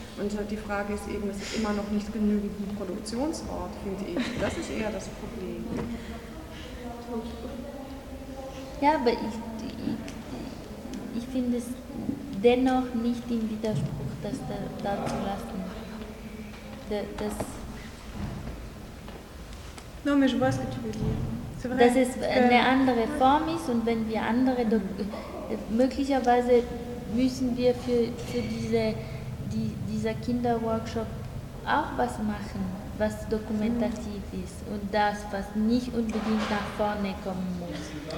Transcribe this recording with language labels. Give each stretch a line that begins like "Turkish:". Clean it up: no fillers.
German: Und die Frage ist eben, es ist immer noch nicht genügend ein Produktionsort, finde ich. Das ist eher das Problem. Ja, aber ich finde es dennoch nicht im Widerspruch, das da zu lassen. Das
French: non, mais je vois ce que tu veux dire.
German: Dass es eine andere Form ist und wenn wir andere, möglicherweise müssen wir für dieser Kinderworkshop auch was machen, was dokumentativ ist und das, was nicht unbedingt nach vorne kommen muss.